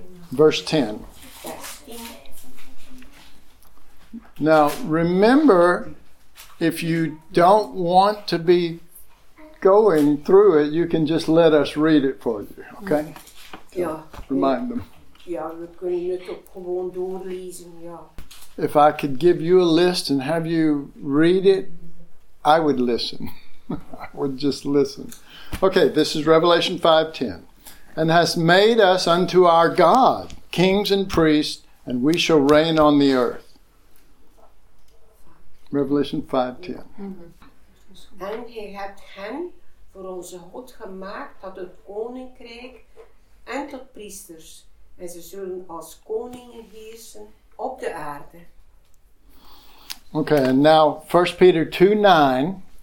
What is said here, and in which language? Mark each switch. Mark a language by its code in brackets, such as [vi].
[en] Verse 10. Now remember, if you don't want to be going through it, you can just let us read it for you, okay? Yeah. Remind them. [nl] Yeah, we kunnen het ook gewoon doorlezen, ja. [en] If I could give you a list and have you read it, I would listen. I would just listen. Okay, this is Revelation 5:10. And has made us unto our God kings and priests, and we shall reign on the earth. Revelation 5:10. Mm-hmm. [nl] En hij hebt hen voor onze God gemaakt tot het koninkrijk en tot priesters. En ze zullen als koningen heersen op de aarde. [en] Okay, and now 1 Peter 2:9.